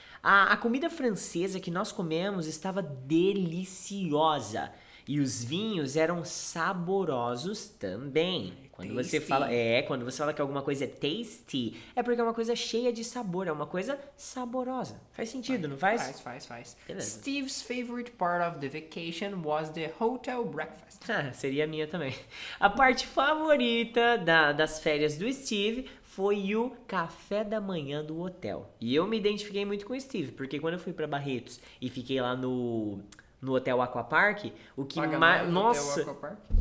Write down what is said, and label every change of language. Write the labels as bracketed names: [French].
[Portuguese] A comida francesa que nós comemos estava deliciosa. E os vinhos eram saborosos também. Quando tasty. Quando você fala que alguma coisa é tasty, é porque é uma coisa cheia de sabor, é uma coisa saborosa. Faz sentido, não faz? Faz. Beleza. [English] Steve's favorite part of the vacation was the hotel breakfast. [Portuguese] Seria a minha também. A parte favorita das férias do Steve foi o café da manhã do hotel. E eu me identifiquei muito com o Steve, porque quando eu fui pra Barretos e fiquei lá no hotel Aqua Park, o que mais... Nossa! Hotel Aqua Park?